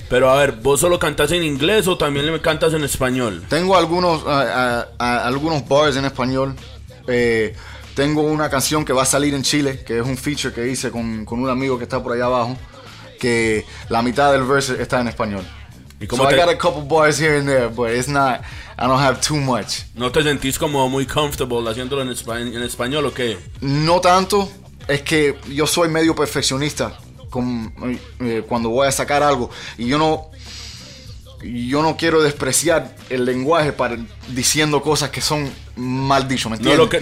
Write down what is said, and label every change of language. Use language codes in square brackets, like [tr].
[es] Pero a ver, ¿vos solo cantas en inglés o también le cantas en español? Tengo algunos algunos bars en español. Tengo una canción que va a salir en Chile, que es un feature que hice con un amigo que está por allá abajo, que la mitad del verse está en español. ¿Y cómo [en] I got a couple bars here and there, but it's not, I don't have too much. [es] ¿No te sentís como muy comfortable haciéndolo en español o qué? No tanto, es que yo soy medio perfeccionista. Cuando voy a sacar algo y yo no quiero despreciar el lenguaje para diciendo cosas que son mal dicho, ¿me entiendes?